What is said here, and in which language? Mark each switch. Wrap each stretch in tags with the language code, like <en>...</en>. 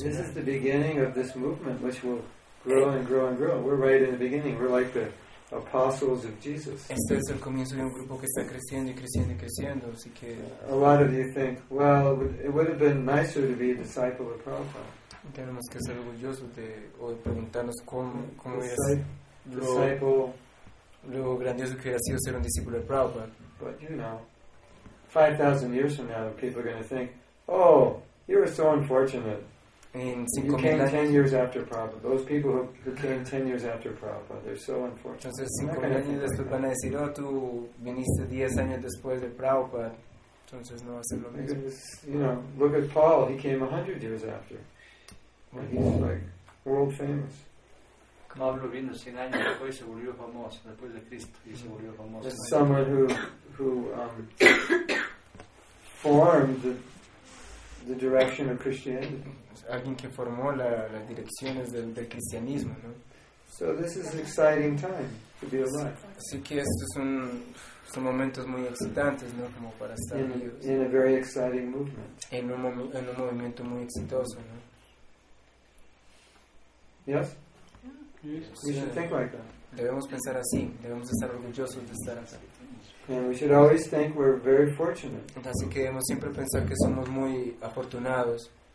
<en>This is the beginning of this movement, which will grow and grow and grow. We're right in the beginning. We're like the apostles of Jesus.</en> <es>Este es el comienzo de un grupo que está creciendo y creciendo y creciendo. Así que</es> <en>a lot of you think, well, it would have been nicer to be a disciple of Prabhupada.</en> <es>Tenemos que ser orgullosos de o preguntarnos cómo es</es> <en>disciple.</en> <es>Lo grandioso que hubiera sido ser un discípulo de Prabhupada.</es> <en>But you know, 5,000 years from now, people are going to think, oh, you were so unfortunate. You came 10 years after Prabhupada. Those people who came 10 years after Prabhupada, they're so unfortunate.</en> <es>Entonces, 5,000 años después van a decir, oh, tú viniste 10 años después de Prabhupada. Entonces, no va a ser lo mismo.</es> <en>You know, look at Paul, he came 100 years after. And he's like world famous.</en> <es>Pablo vino 100 años después y se volvió famoso después de Cristo y se volvió famoso.</es> <en>There's someone who formed the direction of Christianity.</en> <es>Alguien que formó las direcciones del cristianismo, ¿no?</es> <en>So this is an exciting time to be alive.</en> <es>Así que estos son momentos muy excitantes, ¿no? Como para estar vivos.</es> <en>In a very exciting movement.</en> <es>En un movimiento muy exitoso, ¿no?</es> <en>Yes. We should think like that.</en> <es>Debemos pensar así. Debemos estar orgullosos de estar así.</es> <en>And we should always think we're very fortunate.</en> <es>Así que debemos siempre pensar que somos muy afortunados.</es>